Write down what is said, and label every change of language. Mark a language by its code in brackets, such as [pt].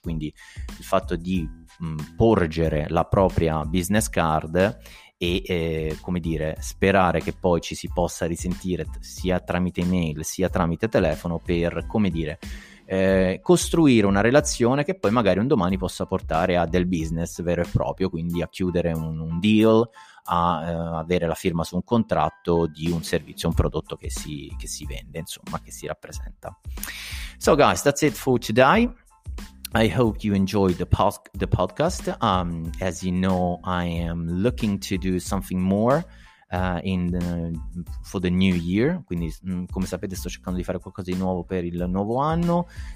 [it] Quindi il fatto di porgere la propria business card e come dire, sperare che poi ci si possa risentire sia tramite email sia tramite telefono per, come dire, costruire una relazione che poi magari un domani possa portare a del business vero e proprio, quindi a chiudere un deal, a avere la firma su un contratto di un servizio, un prodotto che si vende, insomma, che si rappresenta. [en] So guys, that's it for today. I hope you enjoyed the podcast. As you know, I am looking to do something more for the new year. [it] Quindi, come sapete, sto cercando di fare qualcosa di nuovo per il nuovo anno.